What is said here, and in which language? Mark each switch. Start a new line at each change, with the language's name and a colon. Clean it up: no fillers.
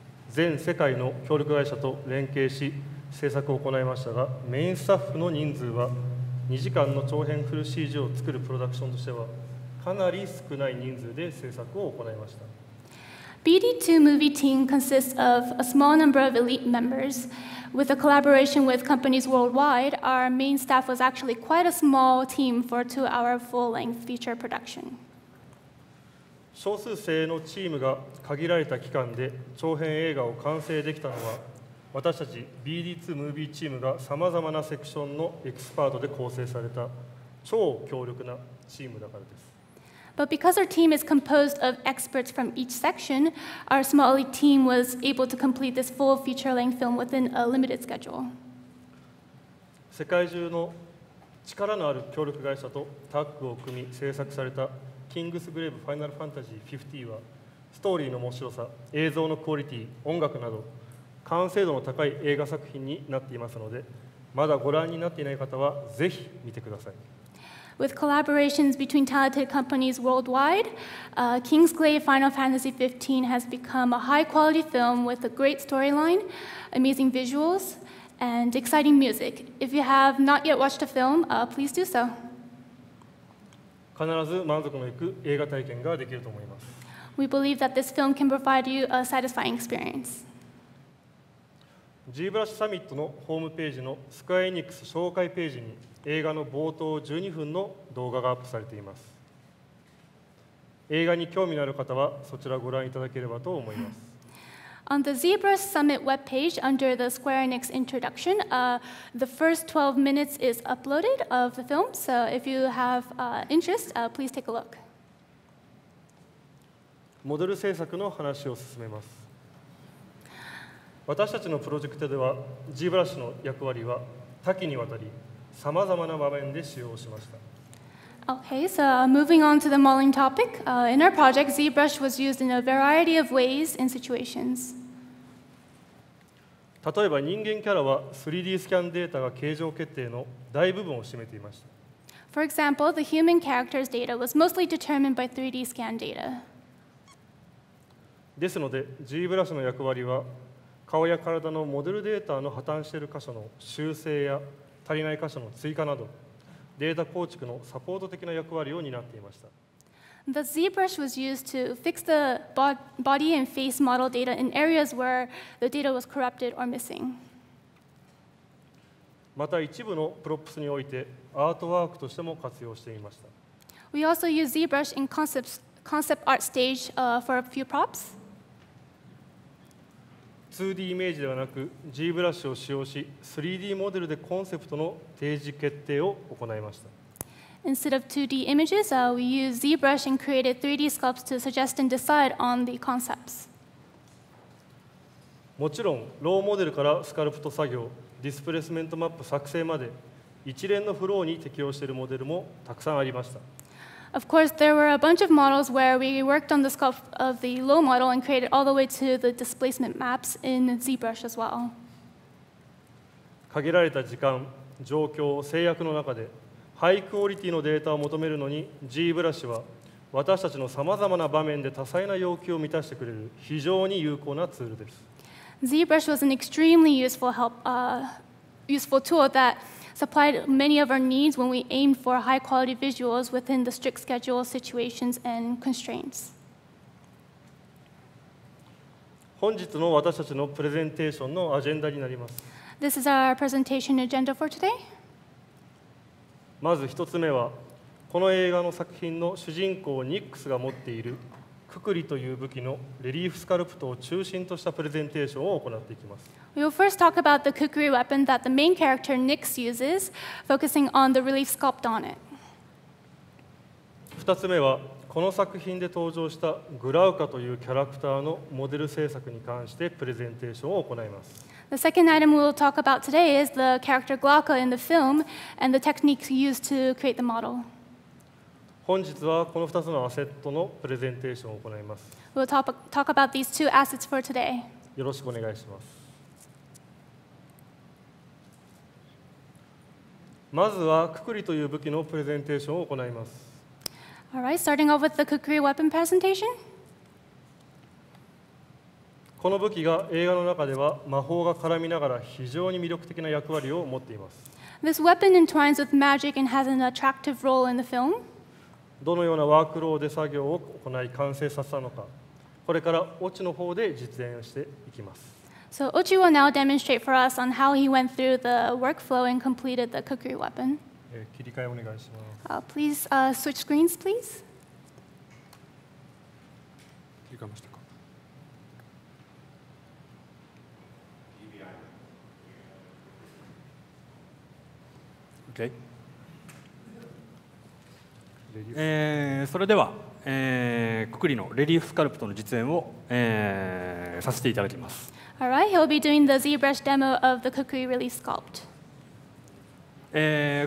Japanese: 全世界の協力会社と連携し制作を行いましたが、メインスタッフの人数は2時間の長編フル CG を作るプロダクションとしてはかなり少ない人数で制作を行いました。
English: BD2 Movie Team consists of a small number of elite members. With a collaboration with companies worldwide, our main staff was actually quite a small team for a 2-hour full-length feature production.
Japanese: 少数制のチームが限られた期間で長編映画を完成できたのは、私たち BD2 ムービーチームがさまざまなセクションのエキスパートで構成された超強力なチームだからです。
English: But because our team is composed of experts from each section, our small elite team was able to complete this full feature-length film within a limited schedule.
Japanese: 世界中の力のある協力会社とタッグを組み制作された Kingsglaive Final Fantasy XV は、ストーリーの面白さ、映像のクオリティ、音楽など完成度の高い映画作品になっていますので、まだご覧になっていない方はぜひ見てください。
English: With collaborations between talented companies worldwide, Kingsglaive Final Fantasy XV has become a high-quality film with a great storyline, amazing visuals, and exciting music. If you have not yet watched the film, please do so.
Japanese: 必ず満足のいく映画体験ができると思います。
English: We believe that this film can provide you a satisfying experience.
Japanese: ZBrush Summit のホームページのスクエアエニックス紹介ページに映画の冒頭12分の動画がアップされています。映画に興味のある方はそちらをご覧いただければと思います。
English: On the ZBrush Summit webpage under the Square Enix introduction, the first 12 minutes is uploaded of the film, so if you have interest, please take a look.
Japanese: モデル制作の話を進めます。私たちのプロジェクトでは ZBrush の役割は多岐にわたり様々な場面で使用しました。
English: Okay, so moving on to the modeling topic. In our project, ZBrush was used in a variety of ways in situations.
Japanese: 例えば人間キャラは 3D スキャンデータが形状決定の大部分を占めていました。
English: For example, the human character's data was mostly determined by 3D scan data.
Japanese: ですので ZBrush の役割は顔や体のモデルデータの破綻している箇所の修正や足りない箇所の追加などデータ構築のサポート的な役割を担っていました。
English: The ZBrush was used to fix the body and face model data in areas where the data was corrupted or missing.
Japanese: また一部のプロップスにおいてアートワークとしても活用していました。
English: We also used ZBrush in concept art stage for a few props.
Japanese: 2D イメージではなく ZBrush を使用し 3D モデルでコンセプトの提示決定を行いました。
English: Instead of 2D images, we used ZBrush and created 3D sculpts to suggest and decide on the concepts.
Japanese: もちろんローモデルからスカルプト作業、ディスプレスメントマップ作成まで一連のフローに適用しているモデルもたくさんありました。
English: Of course, there were a bunch of models where we worked on the sculpt of the low model and created all the way to the displacement maps in ZBrush as well.
Japanese: 限られた時間、状況、制約の中でハイクオリティのデータを求めるのに ZBrush は私たちのさまざまな場面で多彩な要求を満たしてくれる非常に有効なツールです。
English: ZBrush was an extremely useful tool that supplied many of our needs when we aimed for high-quality visuals within the strict schedule situations and constraints.
Japanese: 本日の私たちのプレゼンテーションのアジェンダになります。
English: This is our presentation agenda for today.
Japanese: まず一つ目は、この映画の作品の主人公ニックスが持っているKukriという武器のレリーフスカルプトを中心としたプレゼンテーションを行っていきます。
English: We will first talk about the Kukri weapon that the main character Nix uses, focusing on the relief sculpt on it.
Japanese: 二つ目は、この作品で登場したGlaucaというキャラクターのモデル制作に関してプレゼンテーションを行います。
English: The second item we'll talk about today is the character Glauca in the film and the techniques used to create the model.
Japanese: 本日はこの2つのアセットのプレゼンテーションを行います。
English: We'll talk about these two assets for today.
Japanese: よろしくお願いします。まずはKukriという武器のプレゼンテーションを行います。
English: All right, starting off with the Kukri weapon presentation.
Japanese: この武器が映画の中では魔法が絡みながら非常に魅力的な役割を持っています。
English: This weapon entwines with magic and has an attractive role in the film.
Japanese: どのようなワークローで作業を行い完成させたのか、これからオチの方で実演していきます。
English: So Ochi will now demonstrate for us on how he went through the workflow and completed the Kukri weapon.
Japanese: 切り替えお願いします。
English: Please switch screens, please.
Japanese: 切り替えましたか。
English: Okay.
Japanese: それでは、ククリのレリーフスカルプトの実演を、させていただきます。
English: All right, he'll be doing the ZBrush demo of the Kukri relief sculpt.